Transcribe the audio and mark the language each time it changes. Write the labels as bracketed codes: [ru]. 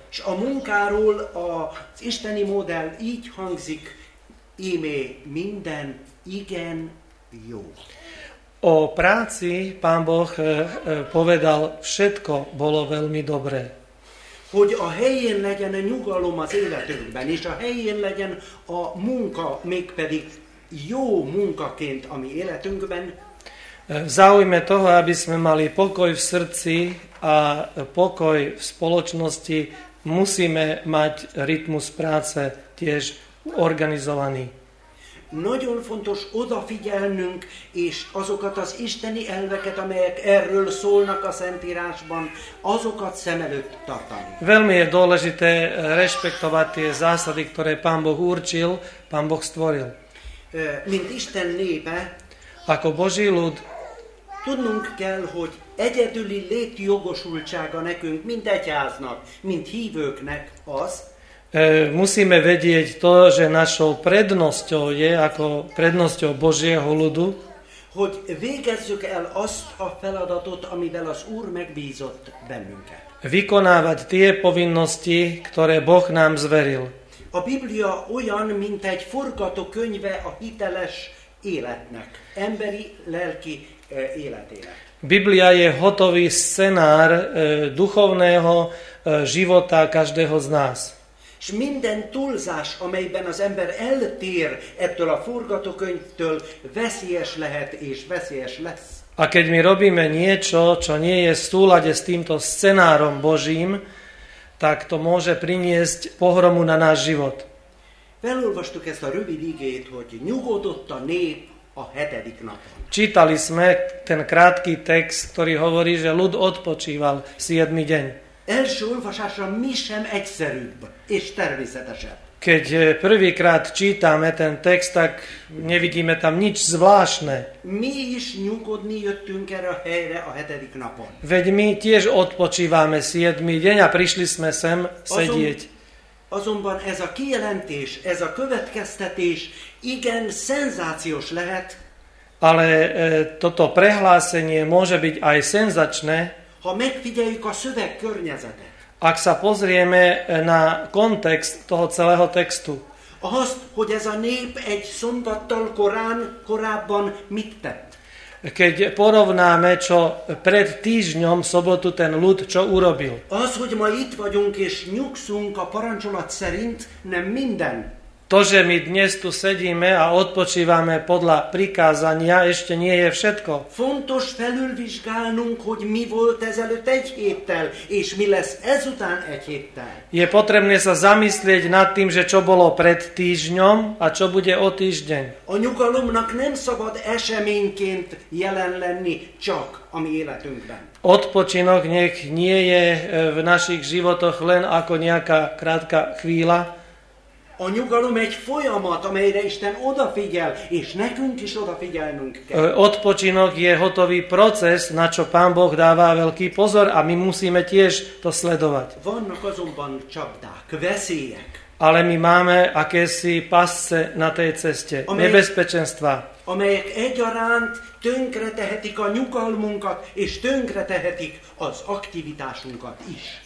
[hu] S a munkáról az isteni modell így hangzik, íme minden igen jó. [sk] O práci Pán Boh povedal, všetko bolo veľmi dobré. [hu] Hogy a helyén legyen a nyugalom az életünkben, és a helyén legyen a munka, mégpedig jó munkaként a mi életünkben. [sk] V záujme toho, aby sme mali pokoj v srdci a pokoj v spoločnosti, musíme mať rytmus práce tiež organizovaný. [hu] nagyon fontos odafigyelnünk, és azokat az isteni elveket, amelyek erről szólnak a Szentírásban, azokat szem előtt tartani. [sk] Veľmi je dôležité rešpektovať tie zásady, ktoré Pán Boh určil, Pán Boh stvoril. [hu] Mint Isten népe, [sk] ako Boží ľud, [hu] tudnunk kell, hogy egyedüli létjogosultsága nekünk, mint egyháznak, mint hívőknek az, [sk] musíme vedieť to, že našou prednosťou je ako prednosťou Božieho ľudu, [hu] hogy végezzük el azt a feladatot, amivel az Úr megbízott bennünket. [sk] Vykonávať tie povinnosti, ktoré Boh nám zveril. [hu] A Biblia olyan, mint egy forgatókönyve a hiteles életnek, emberi lelki életének. [sk] Biblia je hotový scenár duchovného života každého z nás. [hu] És minden túlzás, amelyben az ember eltér ettől a forgatókönyvtől, veszélyes lehet és veszélyes lesz. [sk] A keď my robíme niečo, čo nie je v súlade s týmto scenárom Božím, tak to môže priniesť pohromu na náš život. [hu] Felolvastuk ezt a rövid igét, hogy nyugodott a nép a hetedik napon. [sk] Čítali sme ten krátky text, ktorý hovorí, že ľud odpočíval 7. deň. [hu] Első olvasásra mi sem egyszerűbb és természetesebb. [sk] Keď prvýkrát čítame ten text, tak nevidíme tam nič zvláštne. [hu] My is nyugodni jöttünk erre a helyre a hetedik napon. [sk] Veď my tiež odpočívame 7. deň a prišli sme sem sedieť. [hu] Azonban ez a kijelentés, ez a következtetés igen szenzációs lehet. [sk] Ale toto prehlásenie môže byť aj senzačné. [hu] Ha megfigyeljük a szöveg környezetet. [sk] Ak sa pozrieme na kontext toho celého textu. [hu] Azt, hogy ez a nép egy szombattal korábban mit tett. [sk] Keď porovnáme, čo pred týždňom sobotu ten ľud čo urobil. [hu] Az, hogy ma itt vagyunk és nyugszunk a parancsolat szerint, nem minden. [sk] To, že my dnes tu sedíme a odpočívame podľa prikázania, ešte nie je všetko. [hu] Fontos felülvizsgálnunk, hogy mi volt ezelőtt egy héttel, és mi lesz ezután egy héttel. [sk] Je potrebné sa zamyslieť nad tým, že čo bolo pred týždňom a čo bude o týždeň. [hu] A nyugalomnak nem szabad eseményként jelen lenni csak a mi életünkben. [sk] Odpočinok nech nie je v našich životoch len ako nejaká krátka chvíľa. [hu] A nyugalom egy folyamat, amelyre Isten odafigyel, és nekünk is odafigyelnünk kell. [sk] Odpočinok je hotový proces, na čo Pán Boh dáva veľký pozor a my musíme tiež to sledovať. [hu] Vannak azonban csapdák, veszélyek. [sk] Ale my máme akési pasce na tej ceste, nebezpečenstva. [hu] Amelyek egyaránt tönkretehetik a nyugalmunkat, és tönkretehetik az aktivitásunkat is.